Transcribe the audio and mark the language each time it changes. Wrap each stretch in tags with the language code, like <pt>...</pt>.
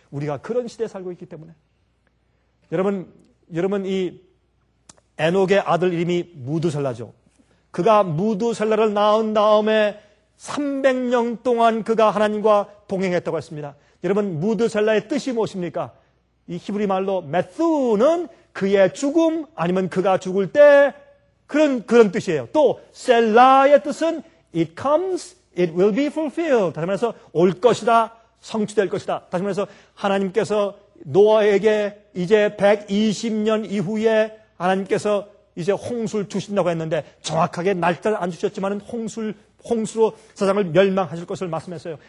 <ko>우리가 그런 시대에 살고 있기 때문에 여러분 이 에녹의 아들 이름이 무드셀라죠. 그가 무드셀라를 낳은 다음에 300년 동안 그가 하나님과 동행했다고 했습니다. 여러분 무드셀라의 뜻이 무엇입니까? 이 히브리 말로 메스는 그의 죽음 아니면 그가 죽을 때 그런 뜻이에요. 또 셀라의 뜻은</ko> <en>it comes, it will be fulfilled.</en> <ko>다시 말해서 올 것이다, 성취될 것이다. 다시 말해서 하나님께서 노아에게 이제 120년 이후에 하나님께서 이제 홍수를 주신다고 했는데 정확하게 날짜를 안 주셨지만은 홍수로 세상을 멸망하실 것을 말씀했어요.</ko>